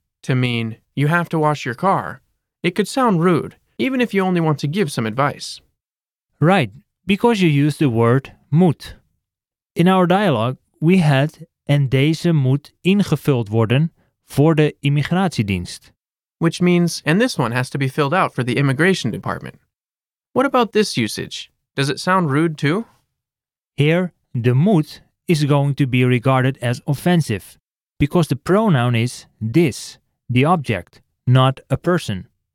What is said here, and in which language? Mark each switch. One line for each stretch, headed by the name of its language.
English: to mean, you have to wash your car, it could sound rude, even if you only want to give some advice. Right, because you use the word moet. In our dialogue, we had
Dutch: en deze moet ingevuld worden voor de immigratiedienst.
English: Which means, and this one has to be filled out for the immigration department. What about this usage? Does it sound rude too? Here, the moet is going to be regarded as offensive, because the pronoun is this, the object, not a person.